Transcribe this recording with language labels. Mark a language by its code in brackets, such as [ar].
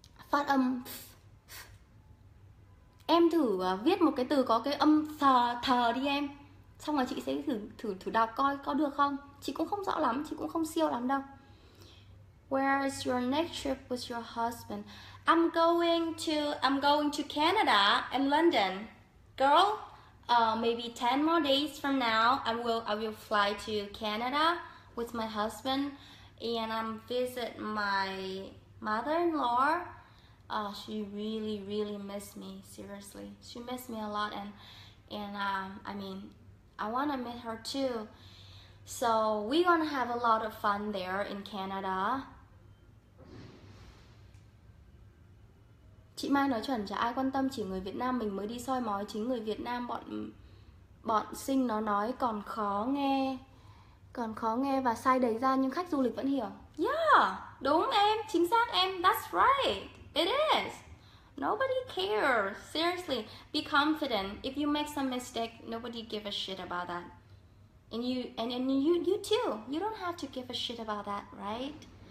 [vi] Phát âm em thử viết một cái từ có cái âm thờ thờ đi em. Xong rồi chị sẽ thử đọc coi có được không. Chị cũng không rõ lắm, chị cũng không siêu lắm đâu. [en] Where is your next trip with your husband? I'm going to Canada and London. Girl, maybe 10 more days from now, I will fly to Canada with my husband and I'm visit my mother-in-law. She really, really missed me, seriously. She missed me a lot and I wanna meet her too. So we're gonna have a lot of fun there in Canada. [vi] Chị Mai nói chuẩn, chả ai quan tâm, chỉ người Việt Nam mình mới đi soi mói, chính người Việt Nam bọn sinh nó nói còn khó nghe và sai đấy ra, nhưng khách du lịch vẫn hiểu. [en] Yeah, [vi] đúng em, chính xác em, [en] that's right, it is. Nobody cares, seriously, be confident. If you make some mistake, nobody give a shit about that. And you too, you don't have to give a shit about that, right?